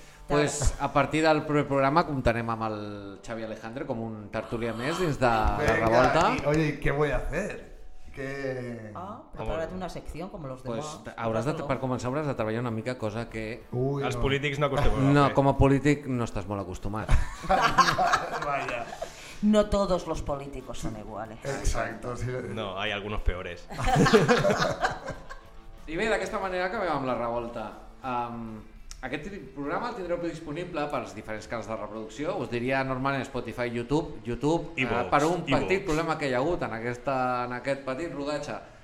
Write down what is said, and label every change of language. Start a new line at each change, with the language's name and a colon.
Catalan: Pues a partir del proper programa comptarem amb el Xavi Alejandre com un tertulià més dins de la revolta.
Spanish: Oye, ¿qué voy a hacer? Que...
Catalan: Ah, ha parat una secció com los
Spanish: pues, demás.
Catalan: Hauràs de, per començar hauràs de treballar una mica cosa que... Ui, els polítics no acostumen a fer. No, com a polític no estàs molt acostumat.
Spanish: Vaya. No todos los políticos son iguales. Exacto. Sí. No, hay algunos peores.
Catalan: I bé, d'aquesta manera acabem amb la revolta. Aquest programa el tindreu disponible pels diferents canals de reproducció, us diria normalment Spotify, YouTube per un petit problema que hi ha hagut en aquest petit rodatge.